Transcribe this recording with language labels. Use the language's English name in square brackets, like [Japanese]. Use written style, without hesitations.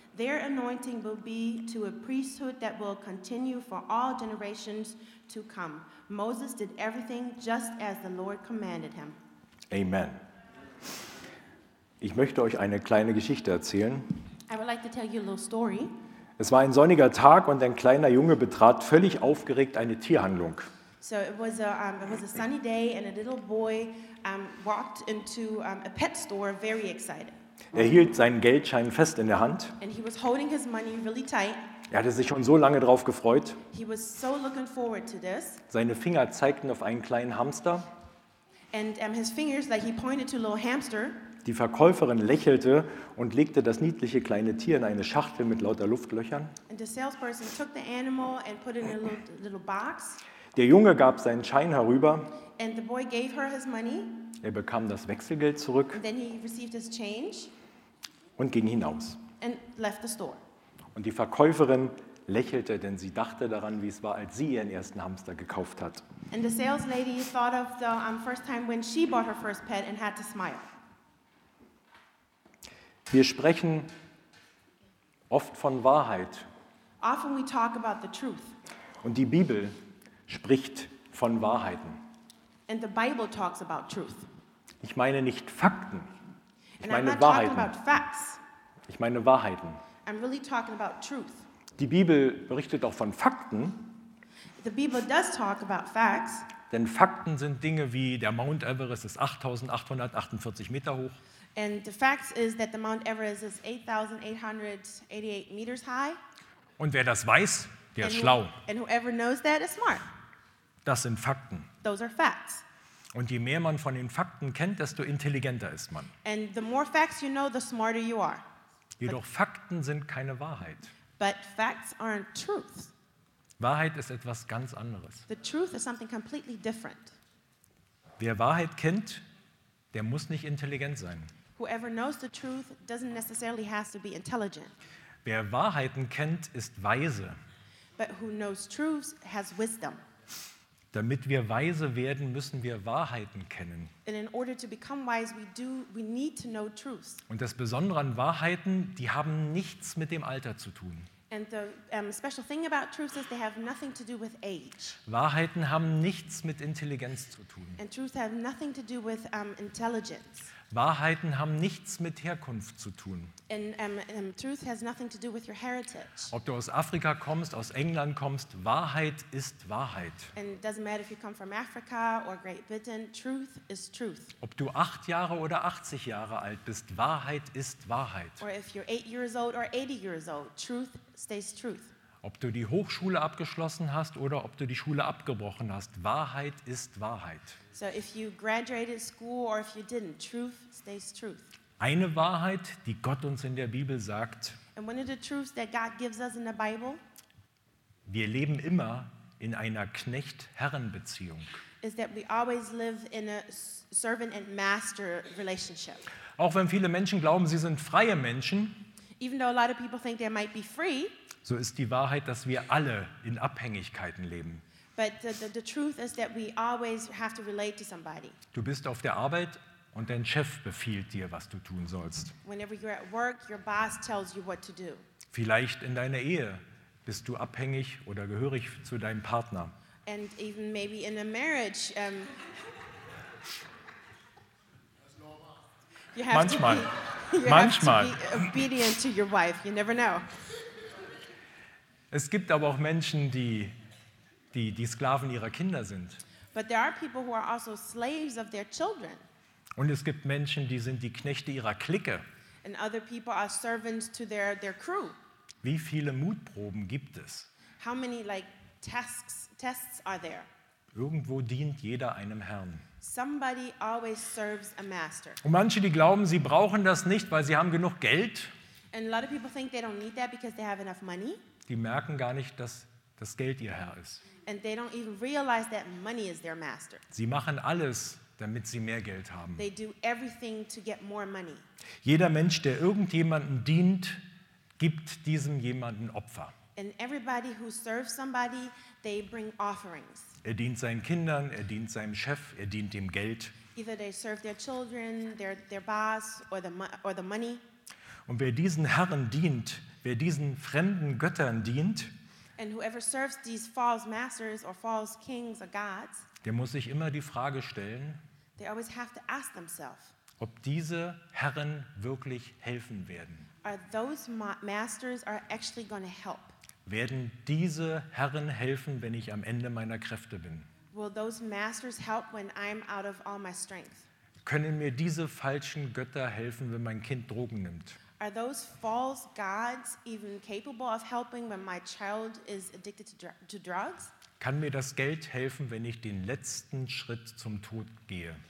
[English] Their anointing will be to a priesthood that will continue for all generations to come. Moses did everything just as the Lord commanded him. [German] Amen. Ich möchte euch eine kleine Geschichte erzählen. [English] I would like to tell you a little story. [German] Es war ein sonniger Tag und ein kleiner Junge betrat völlig aufgeregt eine Tierhandlung. [English] So it was a sunny day and a little boy walked into a pet store very excited. [German] Er hielt seinen Geldschein fest in der Hand. [English] And he was holding his money really tight. [German] Er hatte sich schon so lange drauf gefreut. [English] He was so looking forward to this. [German] Seine Finger zeigten auf einen kleinen Hamster. [English] And his fingers, like he pointed to a little hamster. [German] Die Verkäuferin lächelte und legte das niedliche kleine Tier in eine Schachtel mit lauter Luftlöchern. [English] And the salesperson took the animal and put it in a little box. [German] Der Junge gab seinen Schein herüber. [English] And the boy gave her his money. [German] Er bekam das Wechselgeld zurück. [English] And then he received his change. [German] Und ging hinaus. [English] And left the store. [German] Und die Verkäuferin lächelte, denn sie dachte daran, wie es war, als sie ihren ersten Hamster gekauft hat. [English] And the sales lady thought of the first time when she bought her first pet and had to smile. [German] Wir sprechen oft von Wahrheit. [English] Often we talk about the truth. [German] Und die Bibel spricht von Wahrheiten. [English] And the Bible talks about truth. [German] Ich meine nicht Fakten. Ich [English] And [German] meine [English] I'm not [German] Wahrheiten. [English] Talking about facts. [German] Ich meine Wahrheiten. [English] I'm really talking about truth. [German] Die Bibel berichtet auch von Fakten. [English] The Bible does talk about facts. [German] Denn Fakten sind Dinge wie der Mount Everest ist 8848 Meter hoch. [English] And the facts is that the Mount Everest is 8888 meters high. [German] Und wer das weiß, der ist schlau. [English] And whoever knows that is smart. [German] Das sind Fakten. [English] Those are facts. [German] Und je mehr man von den Fakten kennt, desto intelligenter ist man. [English] And the more facts you know, the smarter you are. [German] Jedoch Fakten sind keine Wahrheit. [English] But facts aren't truths. [German] Wahrheit ist etwas ganz anderes. [English] The truth is something completely different. [German] Wer Wahrheit kennt, der muss nicht intelligent sein. [English] Whoever knows the truth doesn't necessarily have to be intelligent. [German] Wer Wahrheiten kennt, ist weise. [English] But who knows truths has wisdom. [German] Damit wir weise werden, müssen wir Wahrheiten kennen. [English] And in order to become wise, we need to know truths. [German] Und das Besondere an Wahrheiten, die haben nichts mit dem Alter zu tun. [English] And the special thing about truths is they have nothing to do with age. [German] Wahrheiten haben nichts mit Intelligenz zu tun. [English] And truths have nothing to do with intelligence. [German] Wahrheiten haben nichts mit Herkunft zu tun. [English] And truth has nothing to do with your heritage. [German] Ob du aus Afrika kommst, aus England kommst, Wahrheit ist Wahrheit. [English] And it doesn't matter if you come from Africa or Great Britain, truth is truth. [German] Ob du 8 Jahre oder 80 Jahre alt bist, Wahrheit ist Wahrheit. [English] Or if you're 8 years old or 80 years old, truth stays truth. [German] Ob du die Hochschule abgeschlossen hast oder ob du die Schule abgebrochen hast, Wahrheit ist Wahrheit. [English] So if you graduated school or if you didn't, truth stays truth. [German] Eine Wahrheit, die Gott uns in der Bibel sagt. [English] And one of the truths that God gives us in the Bible. [German] Wir leben immer in einer Knecht-Herren-Beziehung. [English] Is that we always live in a servant and master relationship. [German] Auch wenn viele Menschen glauben, sie sind freie Menschen. [English] Even though a lot of people think they might be free. [German] So ist die Wahrheit, dass wir alle in Abhängigkeiten leben. [English] But the truth is that we always have to relate to somebody. [German] Du bist auf der Arbeit und dein Chef befiehlt dir, was du tun sollst. [English] Whenever you're at work, your boss tells you what to do. [German] Vielleicht in deiner Ehe bist du abhängig oder gehörig zu deinem Partner. [English] And even maybe in a marriage. You have [German] manchmal. [English] To be, you [German] manchmal. [English] Have to be obedient to your wife. You never know. [German] Es gibt aber auch Menschen, die Sklaven ihrer Kinder sind. [English] But there are people who are also slaves of their children. [German] Und es gibt Menschen, die sind die Knechte ihrer Clique. [English] And other people are servants to their crew. [German] Wie viele Mutproben gibt es? [English] How many like tests are there. [German] Irgendwo dient jeder einem Herrn. [English] Somebody always serves a master. [German] Und manche, die glauben, sie brauchen das nicht, weil sie haben genug Geld. [English] And a lot of people think they don't need that because they have enough money. [German] Die merken gar nicht, dass das Geld ihr Herr ist. [English] And they don't even realize that money is their master. [German] Sie machen alles, damit sie mehr Geld haben. [English] They do everything to get more money. [German] Jeder Mensch, der irgendjemanden dient, gibt diesem jemanden Opfer. [English] And everybody who serves somebody, they bring offerings. [German] Er dient seinen Kindern, er dient seinem Chef, er dient dem Geld. [English] Either they serve their children, their boss or the money. [German] Und wer diesen Herren dient, wer diesen fremden Göttern dient, [English] and whoever serves these false masters or false kings or gods, [German] der muss sich immer die Frage stellen, [English] they always have to ask themselves, [German] ob diese Herren wirklich helfen werden. [English] Are those masters are actually going to help? [German] Werden diese Herren helfen, wenn ich am Ende meiner Kräfte bin? [English] Will those masters help when I'm out of all my strength? [German] Können mir diese falschen Götter helfen, wenn mein Kind Drogen nimmt? [English] Are those false gods even capable of helping when my child is addicted to drugs? [German] Kann mir das Geld helfen, wenn ich den letzten Schritt zum Tod gehe?